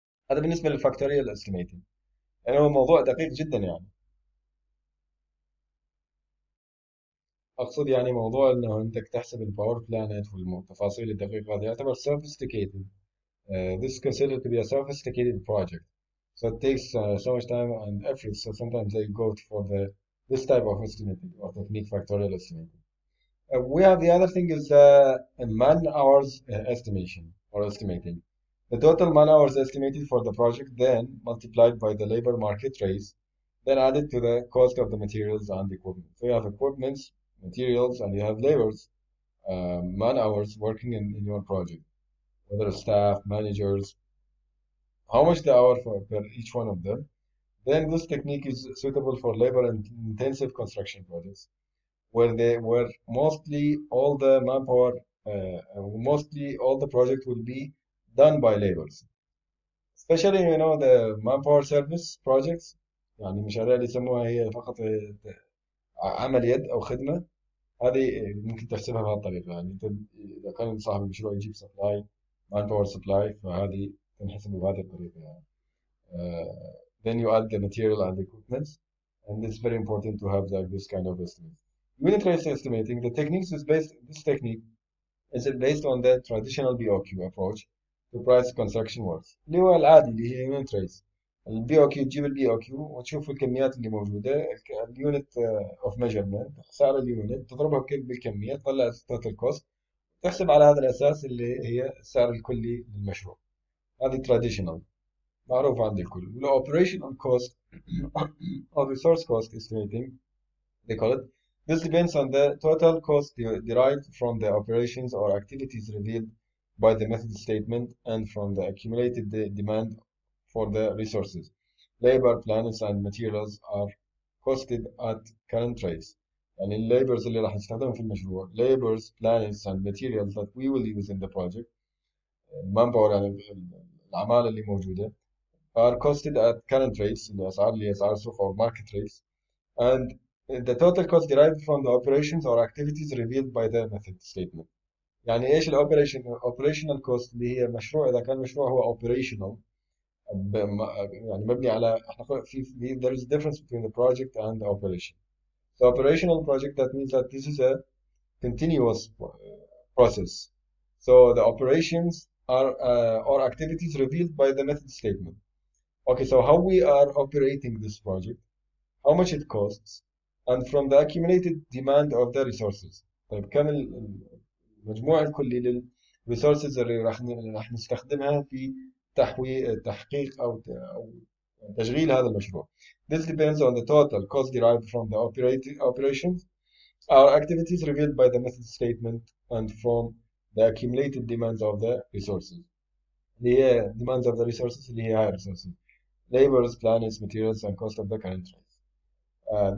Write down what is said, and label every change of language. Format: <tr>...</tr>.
<ar>هذا بالنسبه للفاكتوريال استيميتنج، يعني هو موضوع دقيق جدا، يعني اقصد يعني موضوع انه انت تحسب الباور بلانت والتفاصيل الدقيقه هذه يعتبر سوفيستيكيتد.</ar> <en>This is considered to be a sophisticated project, so it takes so much time and effort. So sometimes they go for the this type of estimating or technique, factorial estimating. We have the other thing is man hours estimation or estimating. The total man hours estimated for the project, then multiplied by the labor market rates, then added to the cost of the materials and equipment. So you have equipments, materials, and you have laborers, man hours working in your project, whether staff, managers. How much the hour for per each one of them? Then this technique is suitable for labor intensive construction projects, where they where mostly all the manpower, mostly all the project will be done by laborers. Especially, you know, the manpower service projects.</en> <ar>يعني المشاريع اللي يسموها هي فقط عمل يد أو خدمة، هذه ممكن تحسبها بهالطريقة. يعني أنت إذا كان صاحب المشروع يجيب سبلاي، مان باور سبلاي، فهذه تنحسب بهذه الطريقة.</ar> <en>يعني then you add the material and the equipment, and it's very important to have like this kind of estimate. Unit rates estimating, the techniques is based, this technique is based on the traditional BOQ approach to price construction works.</en> <ar>اللي هو العادي اللي هي unit rates. البي او كيو تجيب البي او كيو وتشوف الكميات اللي موجوده، اليونت اوف ميجرمنت، سعر اليونت، تضربها بالكميه تطلع التوتال كوست، تحسب على هذا الاساس اللي هي السعر الكلي للمشروع. هذه تراديشنال معروف عند الكل. والاوبريشنال كوست او ريسورس كوست استيميتنج</ar> <en>they call it. This depends on the total cost derived from the operations or activities revealed by the method statement and from the accumulated demand for the resources. Labor, plants and materials are costed at current rates. يعني ال labors اللي راح نستخدمهم في المشروع، labors, plants and materials that we will use in the project, manpower</en> <ar>يعني العمالة اللي موجودة,</ar> <en>are costed at current rates,</en> <ar>اللي أسعار سوق أو</ar> <en>market rates, and the total cost derived from the operations or activities revealed by the method statement.</en> <ar>يعني إيش ال operational cost اللي هي مشروع، إذا كان المشروع هو operational يعني مبني على، احنا في</ar> <en>there is difference between the project and the operation. So operational project that means that this is a continuous process. So the operations are or activities revealed by the method statement. Okay, so how we are operating this project, how much it costs, and from the accumulated demand of the resources.</en> <ar>طيب كم المجموع الكلي للresources اللي راح نستخدمها في تحقيق أو تشغيل هذا المشروع.</ar> <en>This depends on the total cost derived from the operations, our activities revealed by the method statement, and from the accumulated demands of the resources.</en> <ar>اللي هي</ar> <en>demands of the resources اللي هي higher resources. Labors, planets, materials, and cost of the current rates.</en>